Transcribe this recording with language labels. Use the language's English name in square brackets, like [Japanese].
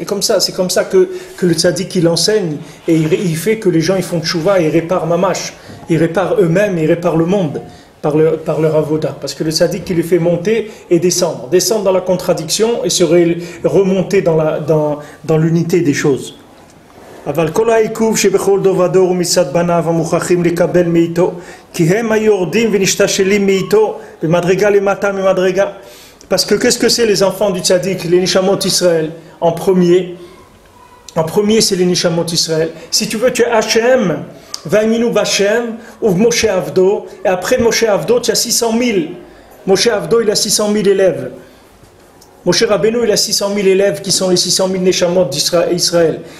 [French] Et comme ça, c'est comme ça que le tzaddik il enseigne et il fait que les gens ils font tchouva, ils réparent mamash, ils réparent eux-mêmes, ils réparent le monde par leur avoda. Parce que le tzaddik il le fait monter et descendre. Descendre dans la contradiction et se remonter dans l'unité des choses. [Hebrew] אבל כל העיכוב שבכל דור ודור ומצד בניו המוכרחים לקבל מאיתו, כי הם היורדים ונשתשלים מאיתו, במדרגה למטה ממדרגה. [French] Parce que qu'est-ce que c'est les enfants du tzaddik, les nishamot Israël, en premier, En premier, c'est les Neshamot Israël. Si tu veux, tu es Hachem, Vaïminou Bachem, ou Moshe Avdo, et après Moshe Avdo, tu as 600 000. Moshe Avdo, il a 600 000 élèves. Moshe Rabbeinu, il a 600 000 élèves qui sont les 600 000 Neshamot d'Israël.